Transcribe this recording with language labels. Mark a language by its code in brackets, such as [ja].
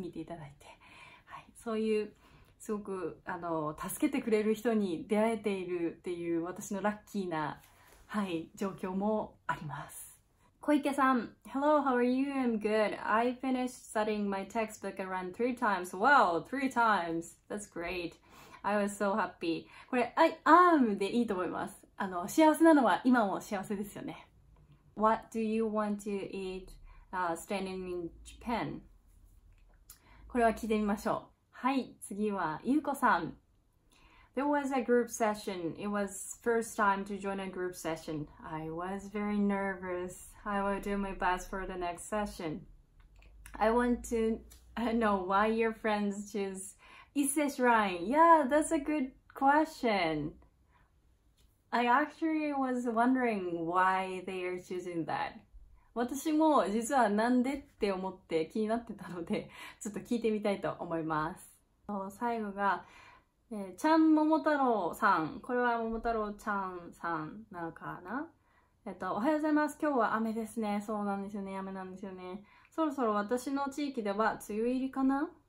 [ja] 見ていただいて、はい、そういうすごく助けてくれる人に出会えているっていう私のラッキーな、はい、状況もあります。 [en] Koike-san, hello, how are you? I'm good. I finished studying my textbook around 3 times. Wow, 3 times. That's great. I was so happy. [ja] これ、 [en] I am [ja] でいいと思います。幸せなのは今も幸せですよね。 [en] What do you want to eat, standing in Japan? [ja] これは聞いてみましょう。はい、次はゆうこさん。 [en] There was a group session. It was first time to join a group session. I was very nervous. I will do my best for the next session. I want to know why your friends choose Ise Shrine. Yeah, that's a good question. I actually was wondering why they are choosing that. [ja] 私も実はなんでって思って気になってたので、ちょっと聞いてみたいと思います。最後が、ちゃん桃太郎さん、これは桃太郎ちゃんさんなのかな。おはようございます。今日は雨ですね。そうなんですよね、雨なんですよね。そろそろ私の地域では梅雨入りかな。